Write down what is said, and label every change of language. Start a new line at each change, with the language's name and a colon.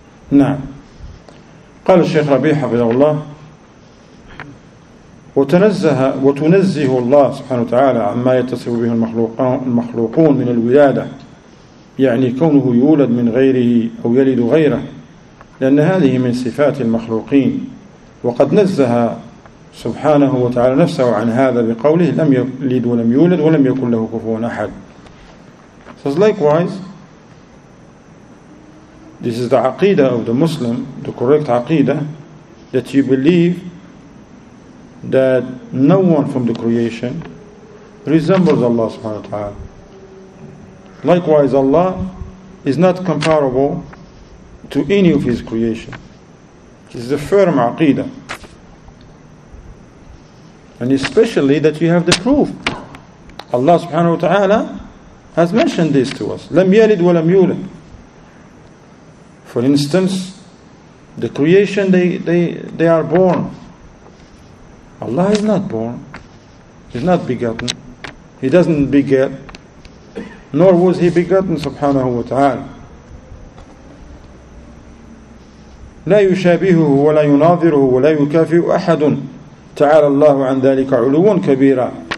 Arabic: نعم قال الشيخ ربيع حفظه الله وتنزه وتنزه الله سبحانه وتعالى عما يتصف به المخلوقون من الولادة يعني كونه يولد من غيره أو يلد غيره لأن هذه من صفات المخلوقين وقد نزه سبحانه وتعالى نفسه عن هذا بقوله لم يلد ولم يولد ولم يكن له كفوا أحد.
English: So likewise, this is the aqidah of the Muslim, the correct aqidah, that you believe that no one from the creation resembles Allah subhanahu wa ta'ala. Likewise, Allah is not comparable to any of His creation. This is a firm aqidah. And especially that you have the proof. Allah subhanahu wa ta'ala has mentioned this to us.
Arabic: لَمْ يَلِدْ وَلَمْ يُولَدْ.
English: For instance, the creation, they are born. Allah is not born, He's not begotten, He doesn't beget, nor was He begotten, subhanahu wa ta'ala.
Arabic: لا يشابهه ولا يناظره ولا يكافئ أحد تعالى الله عن ذلك علوا كبيرا.